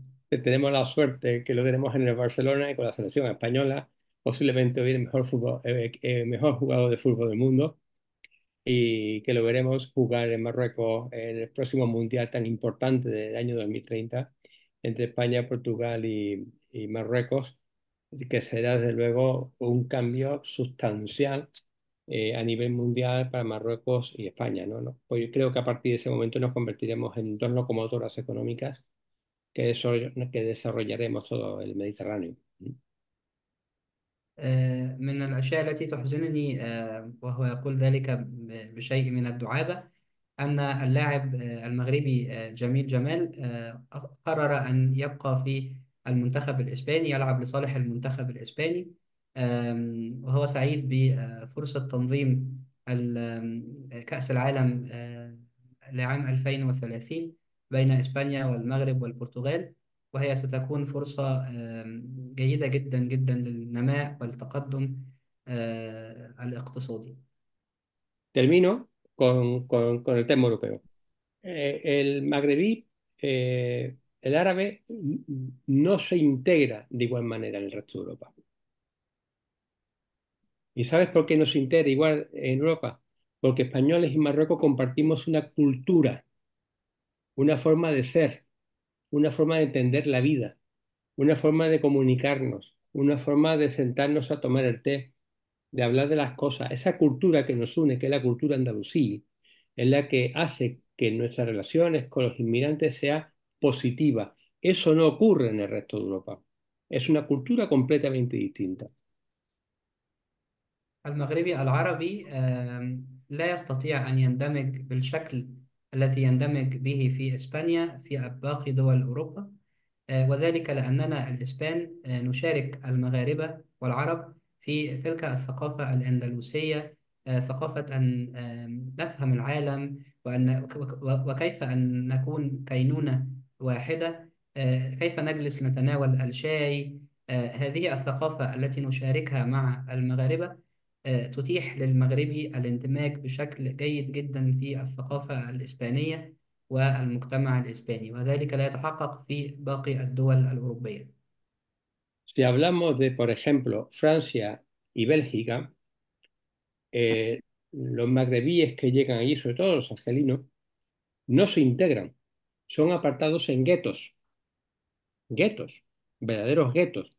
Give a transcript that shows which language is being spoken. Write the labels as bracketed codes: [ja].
[es] Tenemos la suerte que lo tenemos en el Barcelona y con la selección española, posiblemente hoy el mejor jugador de fútbol del mundo y que lo veremos jugar en Marruecos en el próximo Mundial tan importante del año 2030 entre España, Portugal y Marruecos, que será desde luego un cambio sustancial a nivel mundial para Marruecos y España, ¿no? ¿No? Pues yo creo que a partir de ese momento nos convertiremos en dos locomotoras económicas que desarrollaremos todo el Mediterráneo. [ar] من الأشياء التي تحزنني وهو يقول ذلك بشيء من الدعابة أن اللاعب المغربي جميل جمال قرر أن يبقى في المنتخب الإسباني يلعب لصالح المنتخب الإسباني، وهو سعيد بفرصة تنظيم كأس العالم لعام 2030 بين إسبانيا والمغرب والبرتغال، وهي ستكون فرصة جيدة جدا جدا للنماء والتقدم الاقتصادي. [es] Termino con el tema europeo. El magrebí, el árabe, no se integra de igual manera en el resto de Europa. ¿Y sabes por qué no se integra igual en Europa? Porque españoles y marruecos compartimos una cultura, una forma de ser, una forma de entender la vida, una forma de comunicarnos, una forma de sentarnos a tomar el té, de hablar de las cosas. Esa cultura que nos une, que es la cultura andalusí, es la que hace que nuestras relaciones con los inmigrantes sea positiva. Eso no ocurre en el resto de Europa. Es una cultura completamente distinta. [ar] المغربي العربي لا يستطيع أن يندمج بالشكل الذي يندمج به في إسبانيا في باقي دول أوروبا، وذلك لأننا الإسبان نشارك المغاربة والعرب في تلك الثقافة الأندلسية، ثقافة أن نفهم العالم وكيف أن نكون كينونة واحدة، كيف نجلس نتناول الشاي. هذه الثقافة التي نشاركها مع المغاربة تتيح للمغربي الاندماج بشكل جيد جدا في الثقافة الإسبانية والمجتمع الإسباني، وذلك لا يتحقق في باقي الدول الأوروبية. [es] Si hablamos de, por ejemplo, Francia y Bélgica, los magrebíes que llegan allí, sobre todo los argelinos, no se integran. Son apartados en guetos. Guetos, verdaderos guetos.